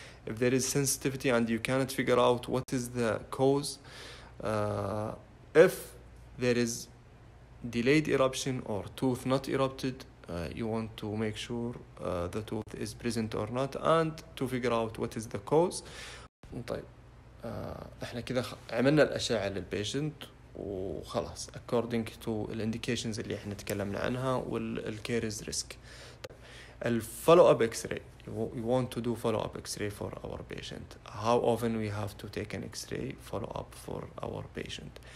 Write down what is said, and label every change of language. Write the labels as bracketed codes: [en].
[en] If there is sensitivity and you cannot figure out what is the cause, if there is delayed eruption or tooth not erupted, you want to make sure the tooth is present or not, and to figure out what is the cause. [ar] طيب احنا كذا عملنا الأشعة للبيشنت وخلاص [en] according to the indications [ar] اللي احنا تكلمنا عنها وال caries risk. [en] الفولو up x-ray, you want to do follow up x-ray for our patient. How often we have to take an x-ray follow up for our patient?